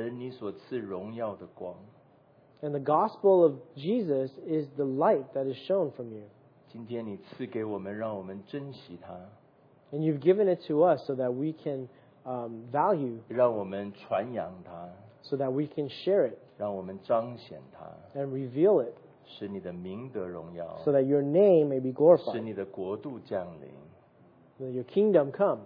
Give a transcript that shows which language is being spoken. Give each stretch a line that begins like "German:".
Chinese: 主耶稣基督的福音是神你所赐荣耀的光。
English: And the gospel of Jesus is the light that is shown from you.
Chinese: 今天你赐给我们，让我们珍惜它。
English: And you've given it to us so that we can value.
Chinese: 让我们传扬它。
English: So that we can share it.
Chinese: 让我们彰显它。
English: And reveal it.
Chinese: 使你的名得荣耀,
English: so that your name may be glorified.
Chinese: 使你的国度降临,
English: so that your kingdom come.